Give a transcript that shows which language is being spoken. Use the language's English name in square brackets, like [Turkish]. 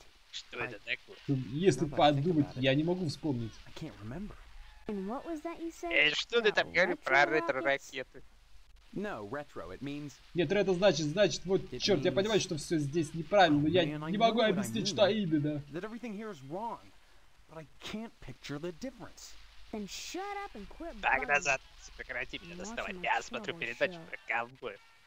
[Russian] Что это такое? Если подумать, я не могу вспомнить. Что ты там говоришь про ретро-ракеты? [English] No, retro, it means... [Russian] Нет, ретро значит, вот, черт, я понимаю, что все здесь неправильно, но я не могу объяснить, что именно. [English] That everything here is wrong, but I can't picture the difference. Then shut up and quit. [Russian] Так, назад, прекрати меня доставать, я смотрю передачу про ковбоев.